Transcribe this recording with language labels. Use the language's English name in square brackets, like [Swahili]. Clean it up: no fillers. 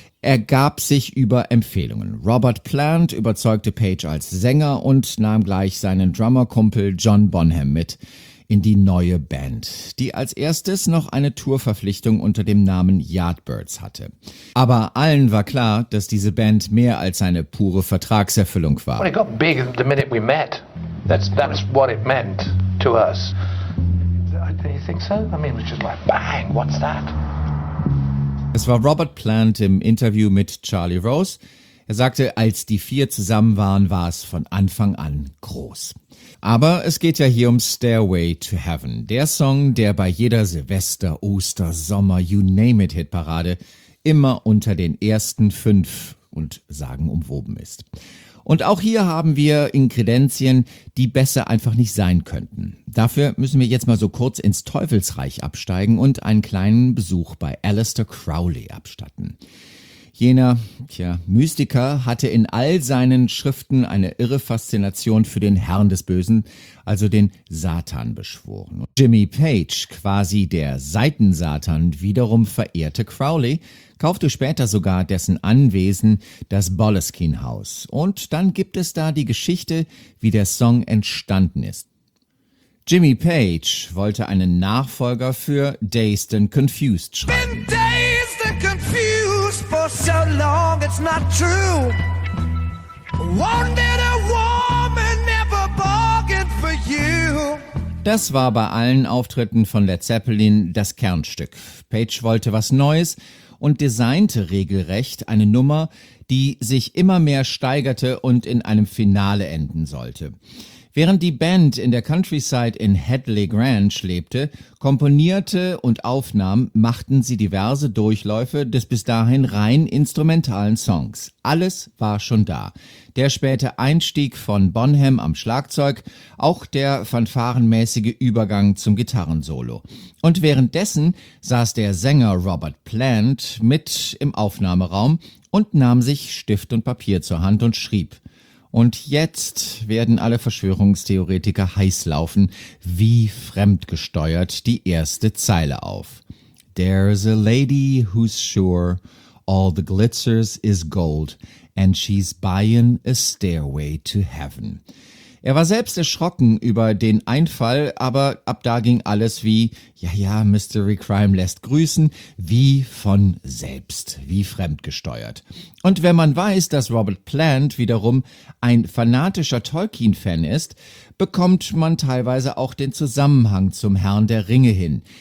[German] Er gab sich über Empfehlungen. Robert Plant überzeugte Page als Sänger und nahm gleich seinen Drummer-Kumpel John Bonham mit in die neue Band, die als erstes noch eine Tourverpflichtung unter dem Namen Yardbirds hatte. Aber allen war klar, dass diese Band mehr als eine pure Vertragserfüllung war. [English] When it got big the minute we met, that's what it meant to us. Do you think so? I mean, it was just like, bang, what's that? [German] Es war Robert Plant im Interview mit Charlie Rose. Er sagte, als die vier zusammen waren, war es von Anfang an groß. Aber es geht ja hier um Stairway to Heaven. Der Song, der bei jeder Silvester-, Oster-, Sommer-, [English] you name it [German] Hitparade immer unter den ersten 5 und sagenumwoben ist. Und auch hier haben wir Inkredenzien, die besser einfach nicht sein könnten. Dafür müssen wir jetzt mal so kurz ins Teufelsreich absteigen und einen kleinen Besuch bei Aleister Crowley abstatten. Jener, tja, Mystiker hatte in all seinen Schriften eine irre Faszination für den Herrn des Bösen, also den Satan, beschworen. Jimmy Page, quasi der Seitensatan, wiederum verehrte Crowley, kaufte später sogar dessen Anwesen, das Boleskine-Haus. Und dann gibt es da die Geschichte, wie der Song entstanden ist. Jimmy Page wollte einen Nachfolger für Dazed and Confused schreiben. [English] Bin dazed and confused for so long, it's not true. Wanted a woman, never bargained for you. [German] Das war bei allen Auftritten von Led Zeppelin das Kernstück. Page wollte was Neues und designte regelrecht eine Nummer, die sich immer mehr steigerte und in einem Finale enden sollte. Während die Band in der Countryside in Hadley Grange lebte, komponierte und aufnahm, machten sie diverse Durchläufe des bis dahin rein instrumentalen Songs. Alles war schon da. Der späte Einstieg von Bonham am Schlagzeug, auch der fanfarenmäßige Übergang zum Gitarrensolo. Und währenddessen saß der Sänger Robert Plant mit im Aufnahmeraum und nahm sich Stift und Papier zur Hand und schrieb. Und jetzt werden alle Verschwörungstheoretiker heiß laufen, wie fremdgesteuert die erste Zeile auf. [English] There's a lady who's sure all the glitzers is gold and she's buying a stairway to heaven. [German] Er war selbst erschrocken über den Einfall, aber ab da ging alles wie, ja, ja, Mystery Crime lässt grüßen, wie von selbst, wie fremdgesteuert. Und wenn man weiß, dass Robert Plant wiederum ein fanatischer Tolkien-Fan ist, bekommt man teilweise auch den Zusammenhang zum Herrn der Ringe hin.